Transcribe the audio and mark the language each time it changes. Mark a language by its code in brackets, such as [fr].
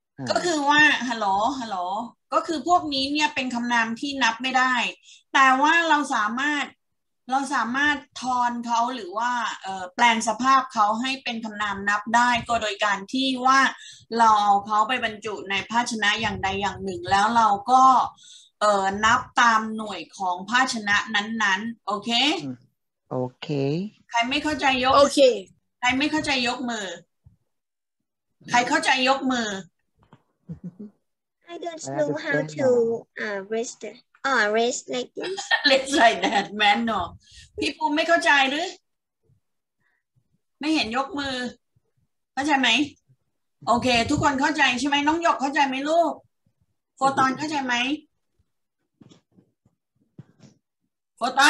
[th] ก็คือว่าฮัลโหลฮัลโหลก็คือพวกนี้เนี่ยเป็นคำนามที่นับไม่ได้แต่ว่าเราสามารถทอนเขาหรือว่าแปลงสภาพเขาให้เป็นคำนามนับได้ก็โดยการที่ว่าเราเอาเขาไปบรรจุในภาชนะอย่างใดอย่างหนึ่งแล้วเราก็นับตามหน่วยของภาชนะนั้นๆโอเค โอเค ใครไม่เข้าใจยก โอเค ใครไม่เข้าใจยกมือใครเข้าใจยกมือ [en] I don't know how to raise thatอ๋อ raise like this raise like that man no [th] พี่ปูไม่เข้าใจหรือไม่เห็นยกมือเข้าใจไหมโอเค okay, ทุกคนเข้าใจใช่ไหมน้องหยกเข้าใจไหมลูกโฟตอนเข้าใจไหมโฟตอน